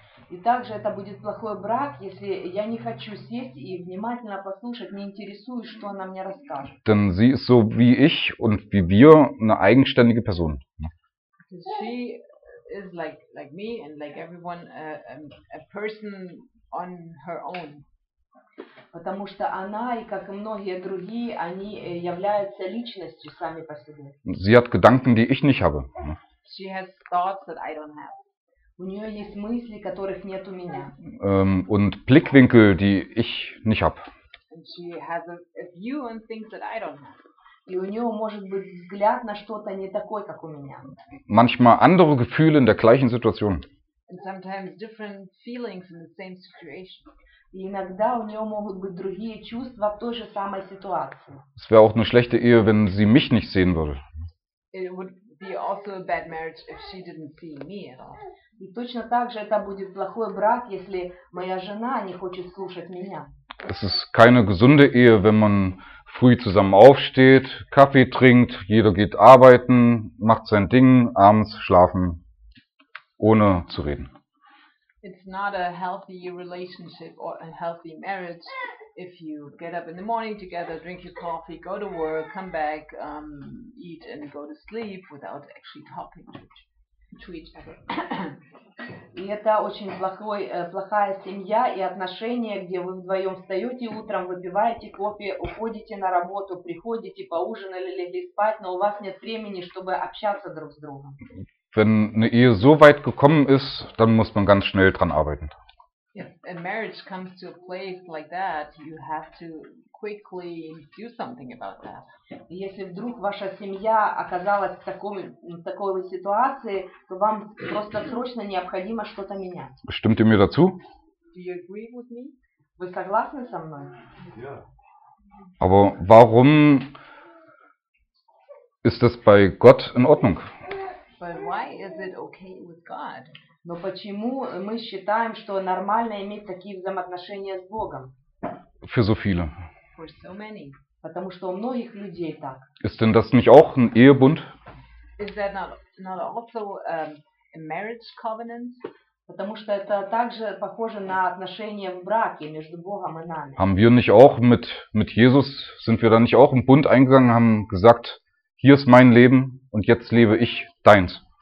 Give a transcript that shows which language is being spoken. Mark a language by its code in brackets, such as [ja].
[ru] И также это будет плохой брак, если я не хочу сесть и внимательно послушать, не интересуюсь, что она мне расскажет. [de] Denn sie ist so wie ich und wie wir eine eigenständige Person. [en] She is like me and like everyone a person on her own. [ru] Потому что она и как и многие другие, они являются личностью сами по себе. [de] Sie hat Gedanken, die ich nicht habe. [en] She has thoughts that I don't have. [ru] У нее есть мысли, которых нет у меня. [de] Und Blickwinkel, die ich nicht habe. [en] And she has a view on things that I don't have. [ru] И у нее может быть взгляд на что-то не такой, как у меня. [de] Manchmal andere Gefühle in der gleichen Situation. [en] And sometimes different feelings in the same situation. [ru] И иногда у нее могут быть другие чувства в той же самой ситуации. [de] Es wäre auch eine schlechte Ehe, wenn sie mich nicht sehen würde. [en] It would be also a bad marriage if she didn't see me at all. [ru] И точно так же это будет плохой брак, если моя жена не хочет слушать меня. [de] Es ist keine gesunde Ehe, wenn man früh zusammen aufsteht, Kaffee trinkt, jeder geht arbeiten, macht sein Ding, abends schlafen, ohne zu reden. [en] It's not a healthy relationship or a healthy marriage if you get up in the morning together, drink your coffee, go to work, come back, eat and go to sleep without actually talking to each other. [ru] И это очень плохая семья и отношения, где вы вдвоем встаете утром, выпиваете кофе, уходите на работу, приходите, поужинали, легли спать, но у вас нет времени, чтобы общаться друг с другом. [de] Wenn eine Ehe so weit gekommen ist, dann muss man ganz schnell dran arbeiten. [en] If a marriage comes to a place like that, you have to quickly do something about that. [ru] Если вдруг ваша семья оказалась в такой ситуации, то вам просто срочно необходимо что-то менять. [de] Stimmt ihr mir dazu? [en] Do you agree with me? [ru] Вы согласны со мной? [de] Ja. Aber warum ist das bei Gott in Ordnung? [en] But why is it okay with God? [ru] Но почему мы считаем, что нормально иметь такие взаимоотношения с Богом? [de] Für so viele. [en] For so many. [ru] Потому что у многих людей так. [de] Ist denn das nicht auch ein Ehebund? [en] Is that not also a marriage covenant? [ru] Потому что это также похоже на отношения в браке между Богом и нами. [de] Haben wir nicht auch mit Jesus, sind wir dann nicht auch im Bund eingegangen, haben gesagt, hier ist mein Leben und jetzt lebe ich deins.